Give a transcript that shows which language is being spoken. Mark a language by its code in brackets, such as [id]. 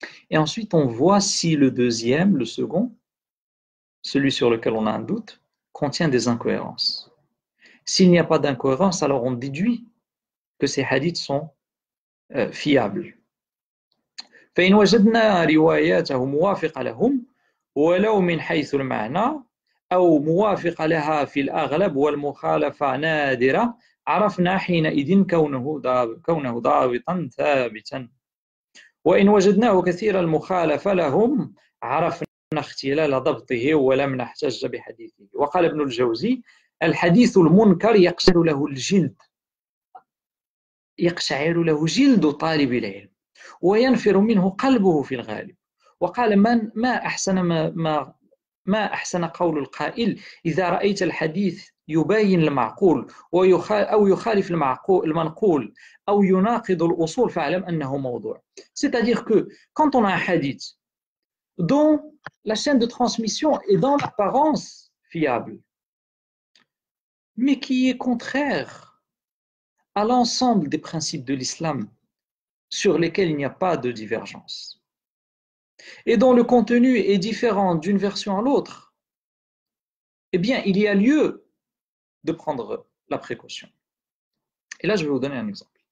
[fr] Et ensuite, on voit si le deuxième, le second, celui sur lequel on a un doute, contient des incohérences. S'il n'y a pas d'incohérence, alors on déduit que ces hadiths sont fiables. [ar] فإن وجدنا رواياتهم موافقة لهم ولو من حيث المعنى أو موافقة لها في الأغلب والمخالفة نادرة عرفنا حينئذ كونه ضابطا ثابتا وإن وجدناه كثير المخالفة لهم عرفنا اختلال ضبطه ولم نحتج بحديثه وقال ابن الجوزي الحديث المنكر يقشعر له الجلد يقشعر له جلد طالب العلم وينفر منه قلبه في الغالب وقال من ما أحسن ما أحسن قول القائل إذا رأيت الحديث يبين المعقول أو يخالف المعقول المنقول أو يناقض الأصول فاعلم أنه موضوع. [fr] C'est-à-dire que quand on a un hadith dont la chaîne de transmission est dans l'apparence fiable, mais qui est contraire à l'ensemble des principes de l'islam sur lesquels il n'y a pas de divergence, et dont le contenu est différent d'une version à l'autre, eh bien, il y a lieu de prendre la précaution. Et là, je vais vous donner un exemple.